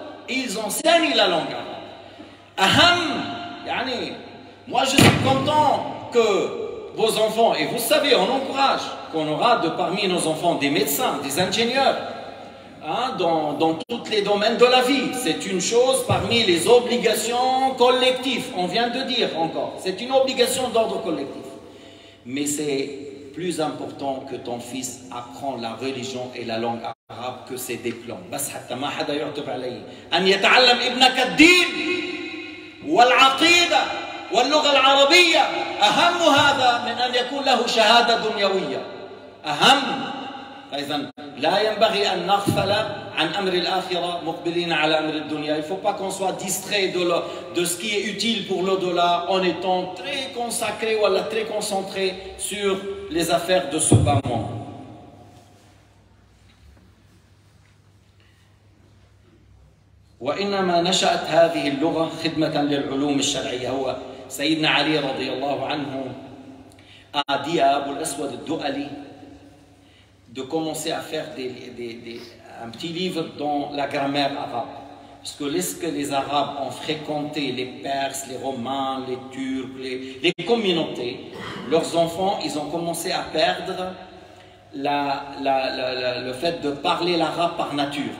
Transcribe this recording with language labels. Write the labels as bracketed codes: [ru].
[fr] Ils enseignent la langue arabe. Aham, yani, moi je suis content que vos enfants, et vous savez, on encourage qu'on aura de parmi nos enfants des médecins, des ingénieurs, hein, dans tous les domaines de la vie. C'est une chose parmi les obligations collectives, on vient de dire encore. C'est une obligation d'ordre collectif. Mais c'est plus important que ton fils apprend la religion et la langue arabe que ses diplômes. [ar] بس حتى ما حدا يعتب عليه أن يتعلم ابنك الدين والعقيدة واللغة العربية أهم هذا من أن يكون له شهادة دنيوية. أهم. إذن لا ينبغي أن نغفل عن أمر الآخرة مقبلين على أمر الدنيا. [fr] Il faut pas qu'on soit distrait de ce qui est utile pour l'au-delà en étant très consacré ou très concentré sur les affaires de ce bas monde. [ar] وإنما نشأت هذه اللغة خدمة للعلوم الشرعية. هو سيدنا علي رضي الله عنه أعدي أبو الأسود الدؤلي [fr] de commencer à faire un petit livre dans la grammaire arabe. Parce que lorsque les Arabes ont fréquenté les Perses, les Romains, les Turcs, les communautés, leurs enfants, ils ont commencé à perdre le fait de parler l'arabe par nature.